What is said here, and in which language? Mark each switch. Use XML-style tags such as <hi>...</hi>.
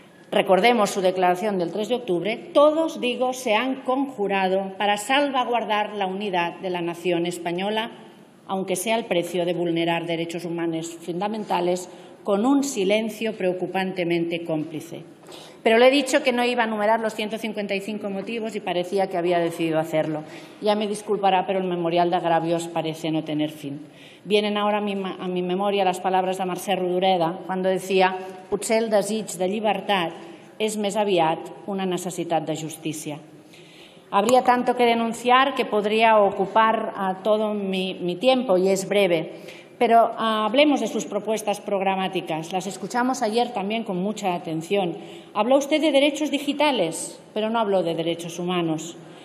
<es>recordemos su declaración del 3 de octubre, todos, digo, se han conjurado para salvaguardar la unidad de la nación española, aunque sea al precio de vulnerar derechos humanos fundamentales, con un silencio preocupantemente cómplice. Pero le he dicho que no iba a enumerar los 155 motivos y parecía que había decidido hacerlo. Ya me disculpará, pero el memorial de agravios parece no tener fin. Vienen ahora a mi memoria las palabras de Mercè Rodoreda cuando decía</es> <ca>«Potser el desig de llibertat és més aviat una necessitat de justícia».</ca> <es>Habría tanto que denunciar que podría ocupar todo mi tiempo y es breve. Pero hablemos de sus propuestas programáticas. Las escuchamos ayer también con mucha atención. Habló usted de derechos digitales, pero no habló de derechos humanos.</es>